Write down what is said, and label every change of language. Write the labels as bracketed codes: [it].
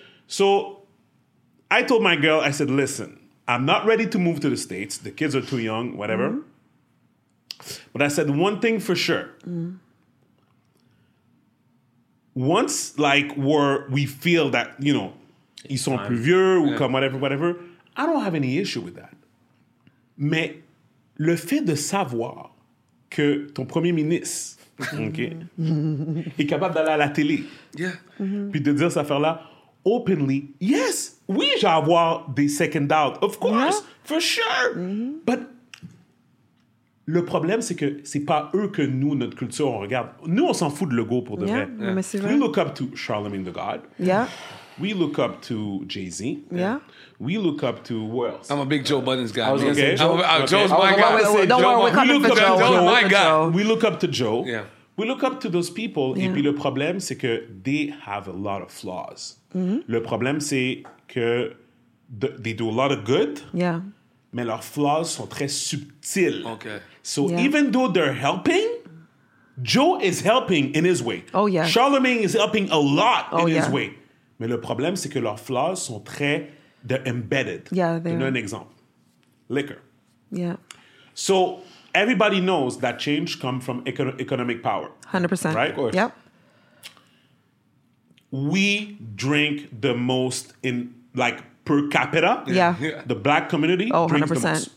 [en] So I told my girl, I said, listen, I'm not ready to move to the States. The kids are too young, whatever. Mm-hmm. But I said one thing for sure. Mm-hmm. Once, like, we feel that, you know, [fr] ils sont plus vieux, ou comme [en] whatever, I don't have any issue with that. [fr] Mais le fait de savoir que ton premier ministre, OK, est capable d'aller à la télé, puis de dire cette affaire-là, [en] openly, yes, [fr] oui, j'ai à avoir des [en] second doubts, of course, for sure. Mm-hmm. But [fr] Le problème, c'est que c'est pas eux que nous, notre culture, on regarde. Nous, on s'en fout de Legault pour de vrai. [en] We look up to Charlemagne the God. Yeah. We look up to Jay-Z. Yeah. We look up to who else? I'm a big Joe Budden's guy. Joe's my guy. We look up to Joe. Yeah. We look up to those people. Yeah. [fr] Et puis le problème, c'est que [en] they have a lot of flaws. Mm-hmm. [fr] Le problème, c'est que [en] they do a lot of good. Yeah. [fr] Mais leurs flaws sont très subtils. [en] Okay. So yeah. Even though they're helping, Joe is helping in his way. Oh, yeah. Charlemagne is helping a lot in his way. [fr] Mais le problème, c'est que leurs flaws sont très... [en] They're embedded. Yeah, they are. [fr] Un exemple. Liquor. [en] Yeah. So everybody knows that change comes from economic power. 100%. Right? Of course. Yep. We drink the most in, like... Per capita, the black community drinks 100%.